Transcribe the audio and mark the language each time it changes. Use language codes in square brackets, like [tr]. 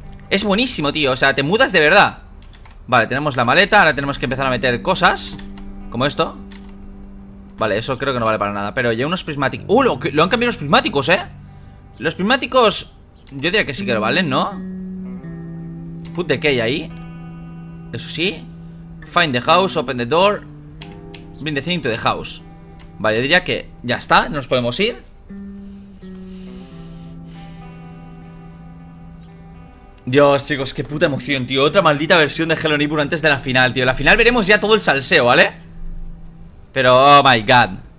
[es] Es buenísimo, tío. O sea, te mudas de verdad. Vale, tenemos la maleta. Ahora tenemos que empezar a meter cosas. Como esto. Vale, eso creo que no vale para nada. Pero ya unos prismáticos. Lo han cambiado los prismáticos, ¿eh? Los prismáticos. Yo diría que sí que lo valen, ¿no? [en] Put the key [es] ahí. Eso sí. [en] Find the house, open the door. Bring the thing to the house. [es] Vale, yo diría que ya está, nos podemos ir. Dios, chicos, qué puta emoción, tío. Otra maldita versión de Hello Neighbor antes de la final, tío. La final veremos ya todo el salseo, ¿vale? Pero, [en] oh my god.